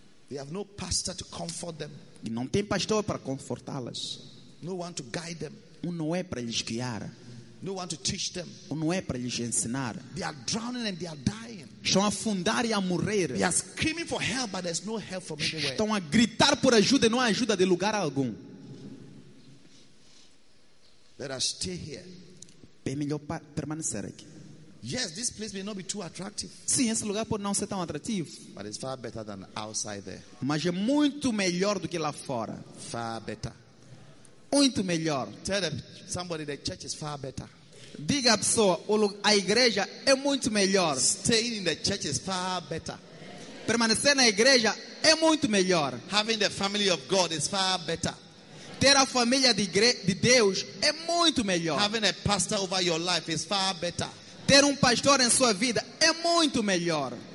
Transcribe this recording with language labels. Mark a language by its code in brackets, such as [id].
[en] They have no pastor to comfort them. [pt] E não tem pastor para confortá-las. [en] No one to guide them. [pt] Não é para lhes guiar. [en] No one to teach them. [pt] Não é para lhes ensinar. [en] They are drowning and they are dying. [pt] Estão a afundar e a morrer. [en] They are screaming for help, but there's no help from anywhere. [pt] Estão a gritar por ajuda e não há ajuda de lugar algum. [en] Let us stay here. [pt] é melhor permanecer aqui. [en] Yes, this place may not be too attractive. [pt] Sim, esse lugar pode não ser tão atrativo. [en] But it's far better than outside there. [pt] Mas é muito melhor do que lá fora. [en] Far better. [pt] Muito melhor. [en] Tell them, somebody, the church is far better. [pt] Diga à pessoa, a igreja é muito melhor. [en] Staying in the church is far better. [pt] Permanecer na igreja é muito melhor. [en] Having the family of God is far better. [pt] Ter a família de Deus é muito melhor. [en] Having a pastor over your life is far better. [pt] Ter pastor em sua vida é muito melhor.